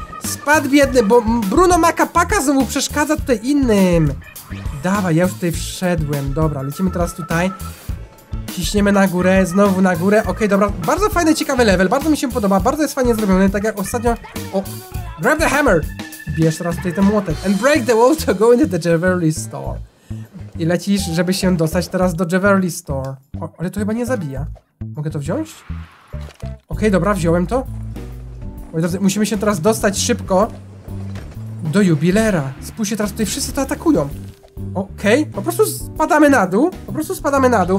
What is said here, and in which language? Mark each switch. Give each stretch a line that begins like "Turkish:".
Polish: Spadł biedny, bo Bruno Macapaka znowu przeszkadza tutaj innym! Dawaj, ja już tutaj wszedłem. Dobra, lecimy teraz tutaj. Ciśniemy na górę, znowu na górę. Okej, dobra. Bardzo fajny, ciekawy level. Bardzo mi się podoba. Bardzo jest fajnie zrobiony. Tak jak ostatnio... O!
English: Grab the hammer!
Polish: Bierz teraz tutaj ten młotek.
English: And break the wall to go into the jewelry store.
Polish: I lecisz, żeby się dostać teraz do jewelry store. O, ale to chyba nie zabija. Mogę to wziąć? Okej, dobra, wziąłem to. Moi drodzy, musimy się teraz dostać szybko do jubilera. Spójrzcie, teraz tutaj wszyscy to atakują. Okej, po prostu spadamy na dół. Po prostu spadamy na dół.